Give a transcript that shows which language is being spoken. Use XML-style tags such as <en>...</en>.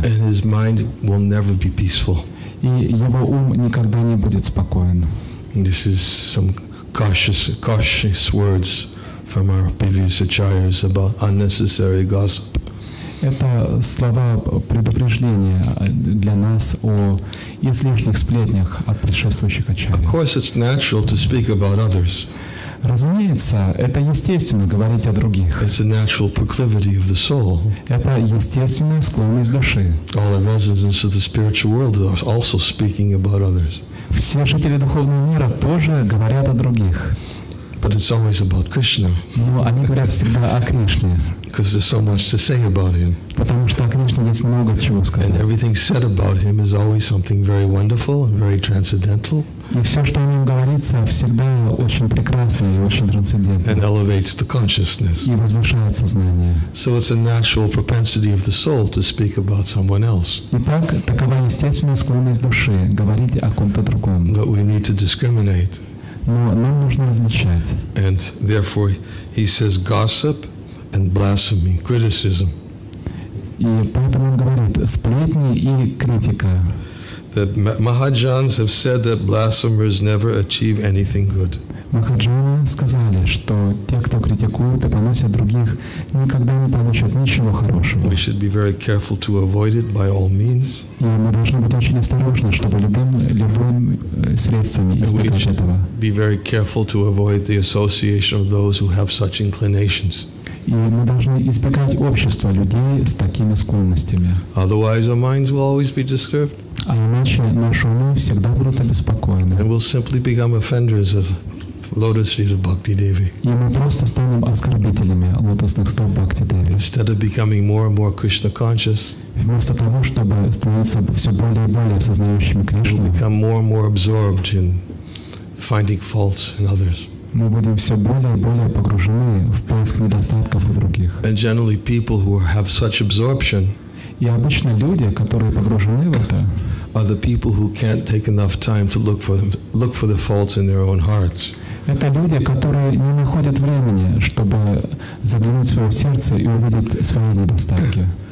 <en>And his mind will never be peaceful.</en> <ru>И его ум никогда не будет спокоен.</ru> <en>This is some cautious words from our previous acharyas about unnecessary gossip.</en> <ru>Это слова предупреждения для нас о излишних сплетнях от предшествующих ачарий.</ru> <en>Of course, it's natural to speak about others.</en> <ru>Разумеется, это естественно говорить о других.</ru> <en>It's a natural proclivity of the soul.</en> <ru>Это естественная склонность души.</ru> <en>All the residents of the spiritual world are also speaking about others.</en> <ru>Все жители духовного мира тоже говорят о других.</ru> <en>But it's always about Krishna.</en> <ru>Но они говорят всегда о Кришне.</ru> <en>Because there's so much to say about him.</en> <ru>Потому что о Кришне есть много чего сказать.</ru> <en>And everything said about him is always something very wonderful and very transcendental.</en> <ru>И все, что о нем говорится, всегда очень прекрасно и очень трансцендентно.</ru> <en>And elevates the consciousness.</en> <ru>И возвышает сознание.</ru> <en>So it's a natural propensity of the soul to speak about someone else.</en> <ru>Итак, такова естественная склонность души говорить о ком-то другом.</ru> <en>But we need to discriminate.</en> <ru>Но нам нужно различать.</ru> <en>And therefore, he says gossip and blasphemy, criticism.</en> <ru>И поэтому он говорит сплетни и критика.</ru> <en>That Mahajans have said that blasphemers never achieve anything good.</en> <ru>Махаджаны сказали, что те, кто критикуют и поносят других, никогда не получат ничего хорошего.</ru> <en>We should be very careful to avoid it by all means.</en> <ru>И мы должны быть очень осторожны, чтобы любыми средствами избегать этого.</ru> <en>Be very careful to avoid the association of those who have such inclinations.</en> <ru>И мы должны избегать общества людей с такими склонностями.</ru> <en>Otherwise, our minds will always be disturbed.</en> <ru>А иначе наши умы всегда будут обеспокоены.</ru> <en>And we'll simply become offenders of lotus feet of Bhakti Devi.</en> <ru>И мы просто станем оскорбителями лотосных стоп Бхакти Деви.</ru> <en>Instead of becoming more and more Krishna conscious,</en> <ru>вместо того, чтобы становиться все более и более осознающими Кришну,</ru> <en>we'll become more and more absorbed in finding faults in others.</en> <ru>Мы будем все более и более погружены в поиск недостатков у других.</ru> <en>And generally people who have such absorption,</en> <ru>и обычно люди, которые погружены в это,</ru> <en>are the people who can't take enough time to look for the faults in their own hearts.</en> <ru>Это люди, которые не находят времени, чтобы заглянуть в свое сердце и увидеть свои недостатки.</ru>